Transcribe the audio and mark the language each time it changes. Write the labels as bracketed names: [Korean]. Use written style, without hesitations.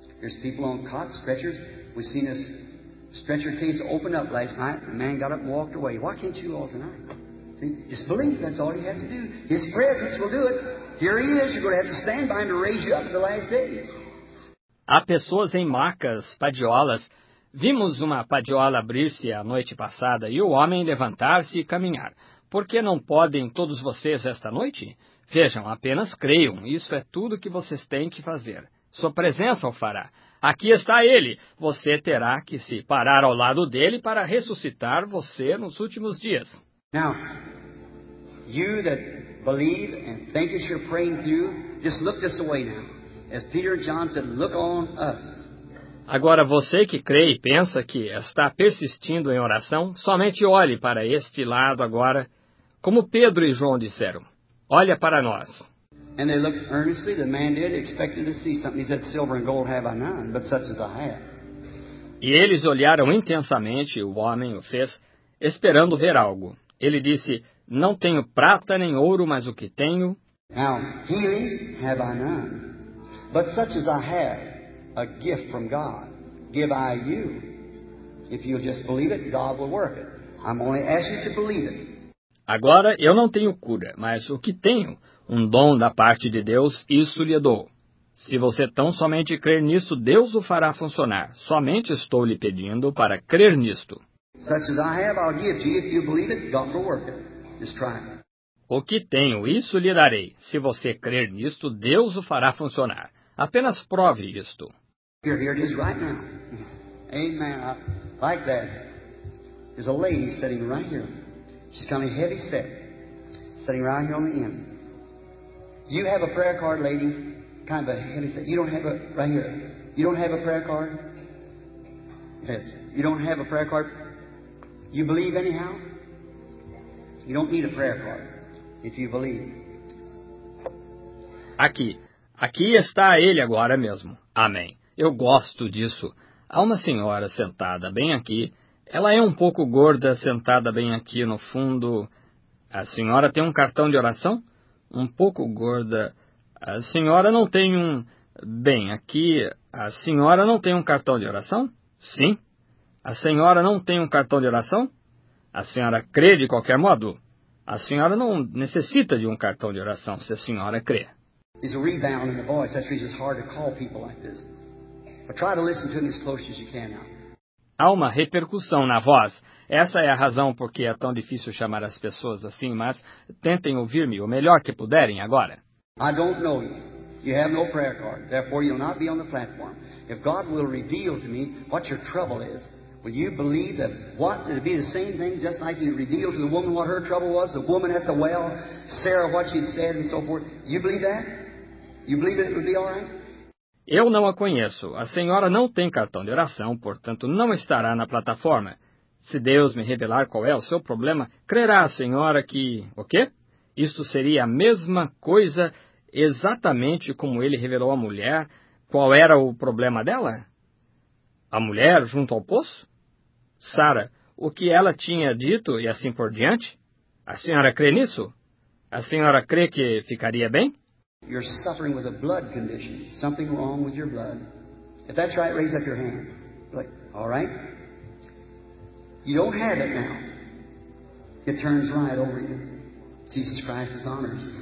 [English] There's people on cots, stretchers. We've seen a stretcher case open up last night. A man got up and walked away. Why can't you all tonight? See, just believe. That's all you have to do. His presence will do it. Here he is. You're going to have to stand by him to raise you up in the last days. [Portuguese] Há pessoas em macas, padiolas. Vimos uma padiola abrir-se a noite passada e o homem levantar-se e caminhar. Por que não podem todos vocês esta noite? Vejam, apenas creiam. Isso é tudo que vocês têm que fazer. Sua presença o fará. Aqui está ele. Você terá que se parar ao lado dele para ressuscitar você nos últimos dias. [English] Now, you that believe and think that you're praying through, just look this way now. As Peter and John said, look on us. [Portuguese] Agora, você que crê e pensa que está persistindo em oração, somente olhe para este lado agora, como Pedro e João disseram. Olha para nós. [English] And they looked earnestly, the man did, expecting to see something. He said, silver and gold have I none, but such as I have. [Portuguese] E eles olharam intensamente, o homem o fez, esperando ver algo. Ele disse, não tenho prata nem ouro, mas o que tenho... [English] Now, healing have I none, but such as I have. A gift from God, give I you. If you'll just believe it, God will work it. I'm only asking you to believe it. [Portuguese] Agora, eu não tenho cura, mas o que tenho, um dom da parte de Deus, isso lhe dou. Se você tão somente crer nisso, Deus o fará funcionar. Somente estou lhe pedindo para crer nisto. [English] Such as I have, I'll give to you. If you believe it, God will work it. Just try. [Portuguese] O que tenho, isso lhe darei. Se você crer nisto, Deus o fará funcionar. Apenas prove isto. [English] Here, here it is right now. Amen. I like that. There's a lady sitting right here. She's kind of heavy set. Sitting right here on the end. You have a prayer card, lady. Kind of a heavy set. You don't have a... Right here. You don't have a prayer card? Yes. You don't have a prayer card? You believe anyhow? You don't need a prayer card. If you believe. [Portuguese] Aqui. Aqui está ele agora mesmo. Amém. Eu gosto disso. Há uma senhora sentada bem aqui. Ela é um pouco gorda, sentada bem aqui no fundo. A senhora tem um cartão de oração? Um pouco gorda. A senhora não tem um... Bem, aqui... A senhora não tem um cartão de oração? Sim. A senhora não tem um cartão de oração? A senhora crê de qualquer modo? A senhora não necessita de um cartão de oração se a senhora crê. [English] There's a rebound in the voice. That's the reason it's hard to call people like this. But try to listen to him as close as you can now. [Portuguese] Há uma repercussão na voz. Essa é a razão porque é tão difícil chamar as pessoas assim, mas tentem ouvir-me o melhor que puderem agora. [English] I don't know you. You have no prayer card. Therefore, you'll not be on the platform. If God will reveal to me what your trouble is, will you believe that what it'll be the same thing just like he revealed to the woman what her trouble was, the woman at the well, Sarah, what she said and so forth? You believe that? You believe that it would be all right? [Portuguese] Eu não a conheço. A senhora não tem cartão de oração, portanto não estará na plataforma. Se Deus me revelar qual é o seu problema, crerá a senhora que... O quê? Isso seria a mesma coisa exatamente como ele revelou à mulher qual era o problema dela? A mulher junto ao poço? Sara, o que ela tinha dito e assim por diante? A senhora crê nisso? A senhora crê que ficaria bem? [English] You're suffering with a blood condition. Something wrong with your blood. If that's right, raise up your hand. Like, all right? You don't have it now. It turns right over you. Jesus Christ is honored.